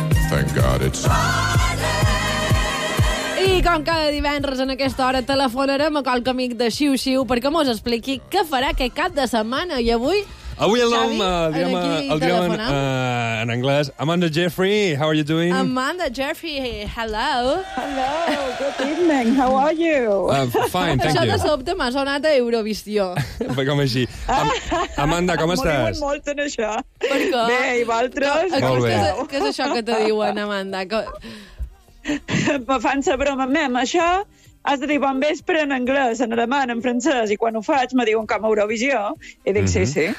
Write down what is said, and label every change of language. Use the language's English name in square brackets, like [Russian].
[English] Thank God it's... [Catalan] I com cada divendres en aquesta hora telefonarem a qualque amic de Xiu Xiu perquè mos expliqui què farà aquest cap de setmana. I avui, avui el Xavi, diem, el diem en anglès. [English] Amanda Jeffrey, how are you doing? Amanda Jeffrey, hello. Hello, good evening, how are you? Fine, thank you. [Catalan] Això de sobte m'ha sonat a Eurovisió. Com així. Amanda, com estàs? Em molt en això. Per què? Bé, i vosaltres? No, molt bé. Què és això que te diuen, Amanda? Que... Me fan sa broma amb això, has de dir bon vespre en anglès, en alemany, en francès, i quan ho faig me diuen com a Eurovisió, i dic sí, sí.